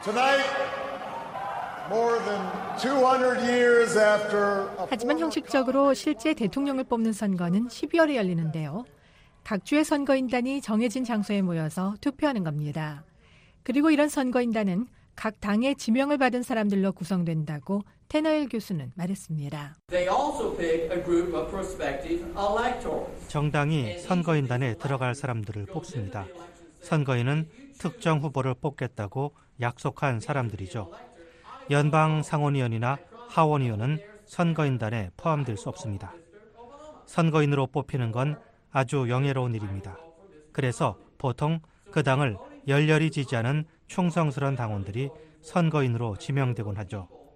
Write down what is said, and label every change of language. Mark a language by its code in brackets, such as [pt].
[en] Tonight, more than 200 years after a [ko] 하지만 형식적으로 실제 대통령을 뽑는 선거는 12월에 열리는데요. 각 주의 선거인단이 정해진 장소에 모여서 투표하는 겁니다. 그리고 이런 선거인단은 각 당의 지명을 받은 사람들로 구성된다고 테너일 교수는 말했습니다. [en] They also pick a group of prospective electors. [ko] 정당이 선거인단에 들어갈 사람들을 뽑습니다. 선거인은 특정 후보를 뽑겠다고 약속한 사람들이죠. 연방 상원의원이나 하원의원은 선거인단에 포함될 수 없습니다. 선거인으로 뽑히는 건 아주 영예로운 일입니다. 그래서 보통 그 당을 열렬히 지지하는 충성스러운 당원들이 선거인으로 지명되곤 하죠.